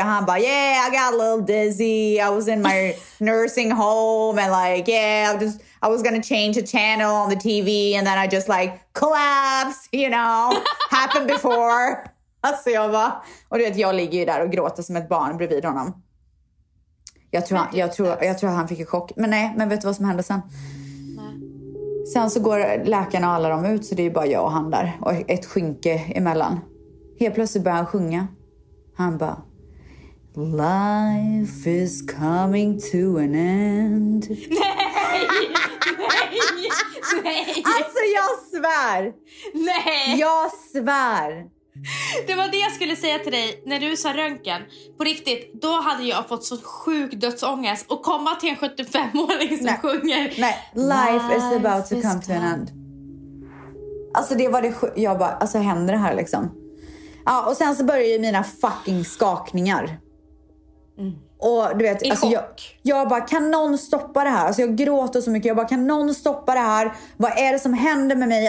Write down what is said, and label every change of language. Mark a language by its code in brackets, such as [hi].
[sv] Han bara, [en] yeah, I got a little dizzy. I was in my nursing home. And like, yeah, I was gonna change a channel on the TV. And then I just like collapse, you know. Happened before. [sv] Alltså jag bara, och du vet, jag ligger ju där och gråter som ett barn bredvid honom. Jag tror han fick en chock. Men nej, men vet du vad som hände sen? Nej. Sen så går läkarna och alla dem ut. Så det är bara jag och han där. Och ett skynke emellan. Helt plötsligt börjar han sjunga. Han bara... [en] Life is coming to an end. [sv] Nej! Alltså jag svär! Nej! Jag svär! Det var det jag skulle säga till dig när du sa röntgen. På riktigt, då hade jag fått så sjuk dödsångest. Och komma till en 75-åring som sjunger. [en] Nej, life is about to come to an end. [sv] Alltså det var det jag bara, alltså händer det här liksom? Ja, och sen så började ju mina fucking skakningar. Och du vet, alltså jag bara, kan någon stoppa det här? Alltså jag gråter så mycket, jag bara, kan någon stoppa det här? Vad är det som händer med mig?